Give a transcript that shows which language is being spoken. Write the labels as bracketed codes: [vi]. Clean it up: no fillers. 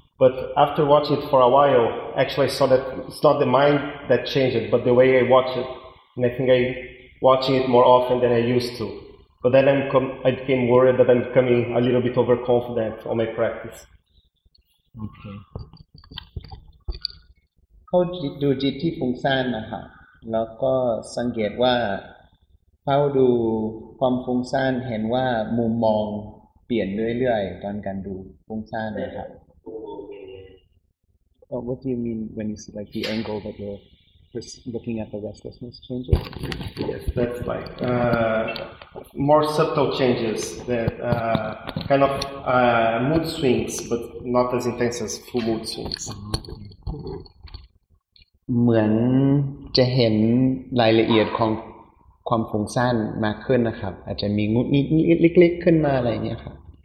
[en] But after watching it for a while, actually I saw that it's not the mind that changed it, but the way I watch it. And I think I'm watching it more often than I used to. But then I became worried that I'm becoming a little bit overconfident on my practice. Okay. [th] เขาดูจิตที่ฟุ้งซ่านนะครับแล้วก็สังเกตว่าเฝ้าดูความฟุ้งซ่านเห็นว่ามุมมองเปลี่ยนเรื่อยๆตอนการดูฟุ้งซ่านนะครับ [en] Oh, what do you mean when you see like the angle that you're looking at the restlessness changes? Yes, that's right. More subtle changes that kind of mood swings, but not as intense as full mood swings. [th] เหมือนจะเห็นรายละเอียดของความฟุ้งซ่านมากขึ้นนะครับอาจจะมีงุ้นๆเล็กๆขึ้นมาอะไรเงี้ยครับ